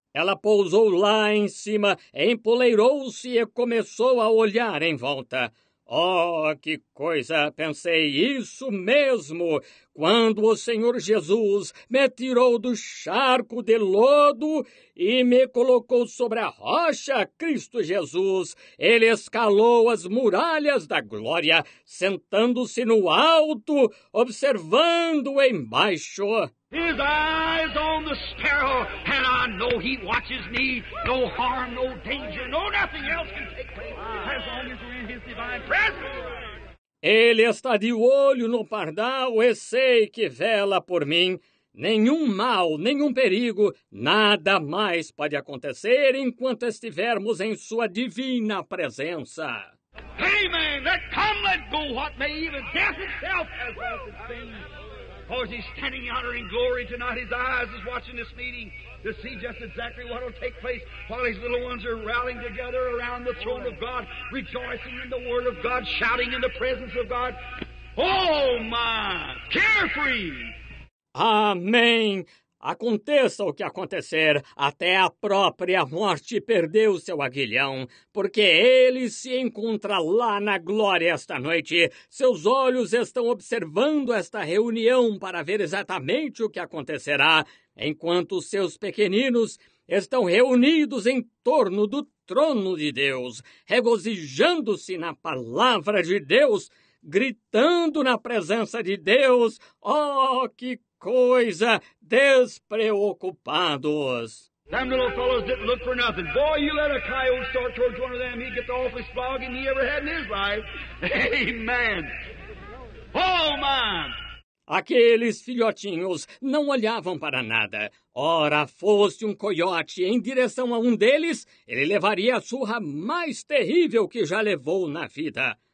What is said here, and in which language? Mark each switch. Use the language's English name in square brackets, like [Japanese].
[Portuguese] Ela pousou lá em cima, empoleirou-se e começou a olhar em volta. Oh, que coisa! Pensei, isso mesmo! Quando o Senhor Jesus me tirou do charco de lodo e me colocou sobre a rocha, Cristo Jesus, ele escalou as muralhas da glória, sentando-se no alto, observando embaixo. [English] His eyes on the sparrow, and I know he watches me. No harm, no danger, no nothing else can take place as long as we're in his divine presence. [Portuguese] Ele está de olho no pardal e sei que vela por mim. Nenhum mal, nenhum perigo, nada mais pode acontecer enquanto estivermos em sua divina presença. [English] Amen. Let come, let go, what may even death itself as well as sin. For as he's standing yonder in glory tonight, his eyes is watching this meeting to see just exactly what will take place while his little ones are rallying together around the throne of God, rejoicing in the word of God, shouting in the presence of God. Oh, my! Carefree! [Portuguese] Amém! Aconteça o que acontecer, até a própria morte perdeu seu aguilhão, porque ele se encontra lá na glória esta noite. Seus olhos estão observando esta reunião para ver exatamente o que acontecerá, enquanto seus pequeninos estão reunidos em torno do trono de Deus, regozijando-se na palavra de Deus, gritando na presença de Deus. Oh, que coisa! Despreocupados. [English] Them little fellows didn't look for nothing. Boy, you let a coyote start towards one of them, he'd get the awfulest flogging he ever had in his life. Amen. Oh, man! [Portuguese] Aqueles filhotinhos não olhavam para nada. Ora, fosse um coiote em direção a um deles, ele levaria a surra mais terrível que já levou na vida.